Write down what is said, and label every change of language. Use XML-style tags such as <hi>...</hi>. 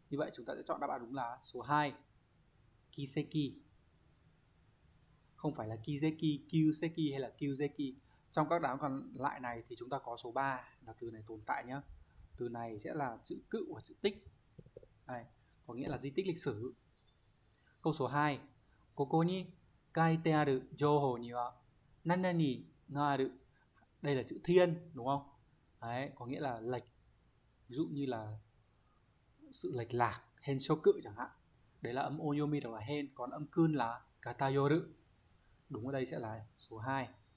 <vi>Như vậy chúng ta sẽ chọn đáp án đúng là số 2, kiseki, không phải là kiseki, kyuseki hay là kyuseki. Trong các đáp án còn lại này thì chúng ta có số 3 là từ này tồn tại nhé. Từ này sẽ là chữ cựu và chữ tích. Đây, có nghĩa là di tích lịch sử. Câu số 2.</vi> <ja>ここに書いてある情報には何々がある。</ja> <vi>Đây là chữ thiên, đúng không? Đấy, có nghĩa là lệch. Ví dụ như là sự lệch lạc, hên shoku chẳng hạn. Đấy là âm onyomi hoặc là hên, còn âm kun là katayoru. Đúng ở đây sẽ là số 2.</vi>